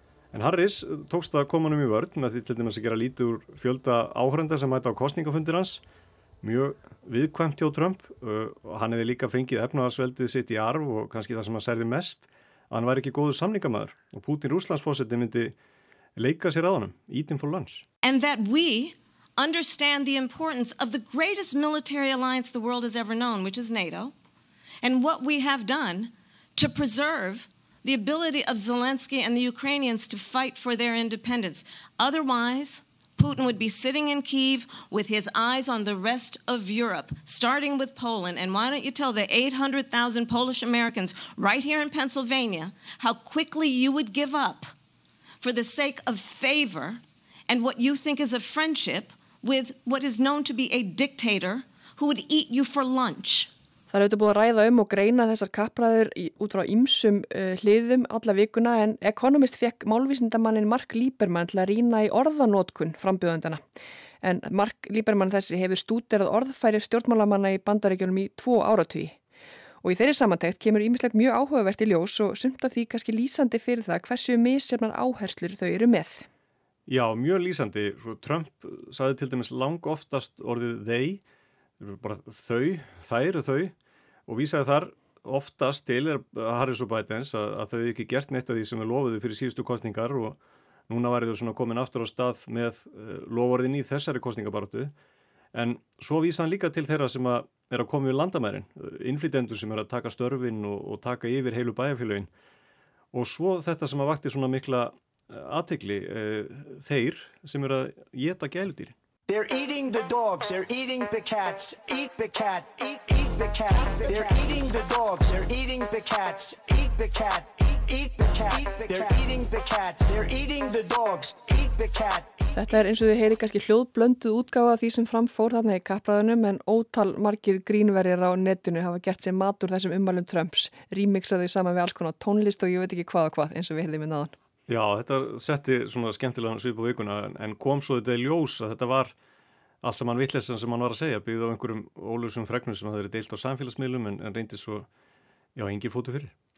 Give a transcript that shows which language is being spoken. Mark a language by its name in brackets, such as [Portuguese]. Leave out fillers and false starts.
[Icelandic] En Harris tókst það að koma honum í vörn með því til dæmis að gera lítið úr fjölda áhorfenda sem mæta á kosningafundir hans. Mjög viðkvæmt hjá Trump og hann hefði líka fengið efnahagsveldið sitt í arf og kannski það sem að særði mest. Að hann væri ekki góður samningamaður og Putin Rússlandsforseti myndi leika sér að honum, [English] eat him for lunch. And that we understand the importance of the greatest military alliance the world has ever known, which is NATO, and what we have done to preserve the ability of Zelensky and the Ukrainians to fight for their independence. Otherwise, Putin would be sitting in Kyiv with his eyes on the rest of Europe, starting with Poland. And why don't you tell the 800,000 Polish Americans right here in Pennsylvania how quickly you would give up for the sake of favor and what you think is a friendship with what is known to be a dictator who would eat you for lunch. [Icelandic] Það er auðvitað búið að ræða og greina þessar kappræður út frá ýmsum hliðum alla vikuna en Economist fekk málvísindamanninn Mark Lieberman til að rýna í orðanotkun frambjóðendana. En Mark Lieberman þessi hefur stúderað orðfæri stjórnmálamanna í Bandaríkjunum í 2 áratugi. Og í þeirri samantekt kemur ýmislegt mjög áhugavert í ljós og sumt af því kannski lýsandi fyrir það hversu misjafnar áherslur þau eru með. Já, mjög lýsandi. Svo Trump sagði til dæmis lang oftast orðið þær og vísaði þar oftast til Harris og Bidens að þau ekki gert neitt af því sem við lofuðu fyrir síðustu kosningar og núna væri þau svona komin aftur á stað með loforðin í þessari kosningabaráttu. En svo vísaði hann líka til þeirra sem að er að koma við landamærin, innflytendur sem er að taka störfin og taka yfir heilu bæjarfélögin. Og svo þetta sem að vakti svona mikla athygli, þeir sem er að geta gæludýr. [English] They're eating the dogs, they're eating the cats, eat the cat, eat the cat. They're eating the dogs, they're eating the cats, eat the cat, eat the cat. They're eating the cats, they're eating the dogs, eat the cat. [Icelandic] Þetta er eins og þið heyri kannski hljóðblönduð útgáfa því sem framfór þarna í kappræðunum en ótal margir grínverjir á netinu hafa gert sér matur þessum ummælum Trumps, rímixaði saman við alls konar tónlist og ég veit ekki hvað og hvað eins og við heyrðum í náðan. Já, þetta setti svona skemmtilegan svip á vikuna en kom svo þetta í ljós að þetta var allt saman vitleysan sem hann var að segja, byggði á einhverjum óljósum fregnum sem það er deilt á samfélagsmiðlum en reyndi svo, já, engin fótu fyrir.